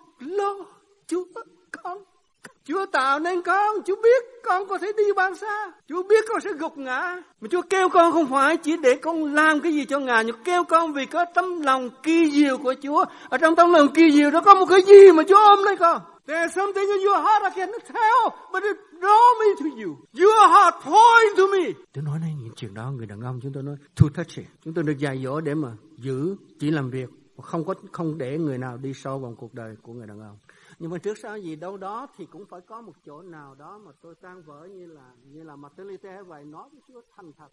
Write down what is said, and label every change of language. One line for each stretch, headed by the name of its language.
Vietnamese: Lô, Chúa, con, Chúa tạo nên con, Chúa biết con có thể đi bao xa, Chúa biết con sẽ gục ngã. Mà Chúa kêu con không phải chỉ để con làm cái gì cho Ngài, nhưng kêu con vì có tấm lòng kỳ diệu của Chúa. Ở trong tấm lòng kỳ diệu đó có một cái gì mà Chúa ôm lấy con.
English: There's something in your heart I cannot tell, but it draw me to you. Your heart points to me.
Vietnamese: Tôi nói này những chuyện đó, người đàn ông chúng tôi nói,
English: to touch it.
Vietnamese: Chúng tôi được dạy dỗ để mà giữ, chỉ làm việc, không để người nào đi sâu vào cuộc đời của người đàn ông. Nhưng mà trước sau gì đâu đó thì cũng phải có một chỗ nào đó mà tôi tan vỡ như là Martin Luther vậy, nói với Chúa thành thật.